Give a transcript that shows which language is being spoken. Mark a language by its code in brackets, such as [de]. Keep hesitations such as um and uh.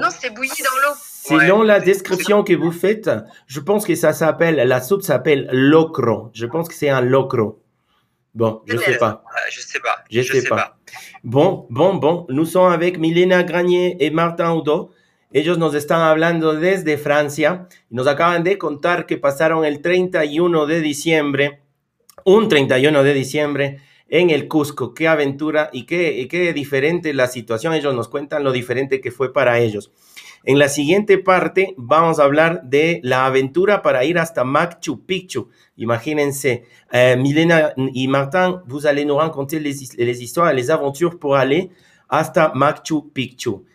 [fr] Non, c'était bouilli dans l'eau. Selon Ouais. la description que vous faites, je pense que ça s'appelle, la soupe s'appelle locro. Je pense que c'est un locro. Bon, je sais Peut-être. pas. Euh, je sais pas. Je sais pas. Bon, bon, bon. Nous sommes avec Milena Granier et Martin Udo. [es] Ellos nos están hablando desde Francia. Nos acaban de contar que pasaron el 31 de diciembre, un 31 de diciembre, en el Cusco. Qué aventura y qué, y qué diferente la situación. Ellos nos cuentan lo diferente que fue para ellos. En la siguiente parte vamos a hablar de la aventura para ir hasta Machu Picchu. Imagínense, [fr] Euh, Milena et Martin, vous allez nous raconter les, his- les histoires et les aventures pour aller [es] hasta [fr] Machu Picchu.